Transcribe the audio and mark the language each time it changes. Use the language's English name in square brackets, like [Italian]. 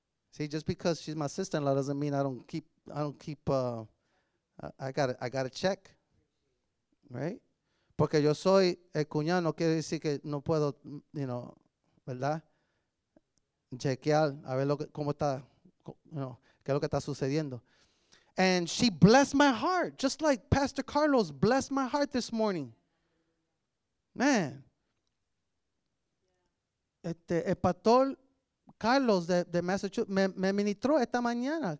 [English] See, just because she's my sister-in-law doesn't mean I gotta check, right? [Spanish] Porque yo soy el cuñado, no quiere decir que no puedo, you know, ¿verdad? Chequear, a ver qué es lo que está sucediendo. [English] And she blessed my heart, just like Pastor Carlos blessed my heart this morning. Man. [Spanish] El pastor Carlos de Massachusetts me ministró esta mañana.